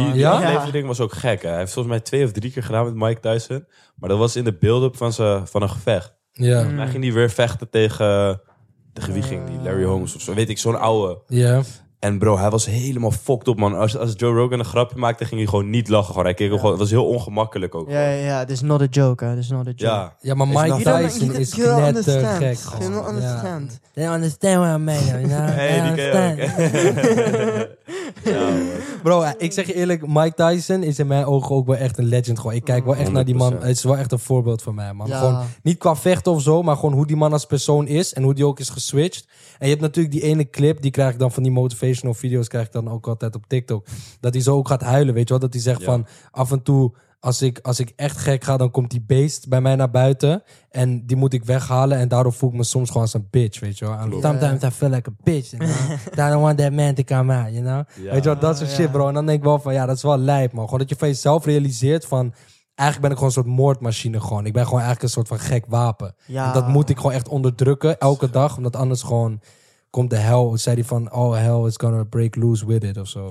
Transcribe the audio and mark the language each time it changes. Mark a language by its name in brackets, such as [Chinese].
[Dutch] maar die aflevering was ook gek, hè. Hij heeft volgens mij 2 of 3 keer gedaan met Mike Tyson. Maar dat was in de build-up van een gevecht. Ja. Hij ging die weer vechten tegen de gewieging, die Larry Holmes of zo. Weet ik, zo'n ouwe. Ja. En bro, hij was helemaal fucked up, man. Als Joe Rogan een grapje maakte, ging hij gewoon niet lachen. Gewoon. Hij keek gewoon, het was heel ongemakkelijk ook. [English] Ja, yeah, it's not a joke, hè. It's not a joke. [Dutch] Ja, maar Mike Tyson is knettergek. [English] You don't understand. Yeah. They understand what I mean. [Dutch] Hey, die ken je ook. Bro, ik zeg je eerlijk, Mike Tyson is in mijn ogen ook wel echt een legend. Gewoon. Ik kijk wel echt 100%. Naar die man. Het is wel echt een voorbeeld voor mij, man. Ja. Gewoon, niet qua vechten of zo, maar gewoon hoe die man als persoon is. En hoe die ook is geswitcht. En je hebt natuurlijk die ene clip, die krijg ik dan van die motivational video's, krijg ik dan ook altijd op TikTok. Dat hij zo ook gaat huilen, weet je wel? Dat hij zegt van, af en toe, als ik echt gek ga, dan komt die beest bij mij naar buiten. En die moet ik weghalen. En daarom voel ik me soms gewoon als een bitch, weet je wel. [English] Sometimes I feel like a bitch, you know? I don't want that man to come out, you know? [Dutch] Ja. Weet je wel, dat soort shit, bro. En dan denk ik wel van, ja, dat is wel lijp, man. Gewoon dat je van jezelf realiseert van... Eigenlijk ben ik gewoon een soort moordmachine gewoon. Ik ben gewoon eigenlijk een soort van gek wapen. Ja. Dat moet ik gewoon echt onderdrukken, elke dag. Omdat anders gewoon... komt de hel, zei hij van, [English] oh hell is gonna break loose with it [Dutch] of zo.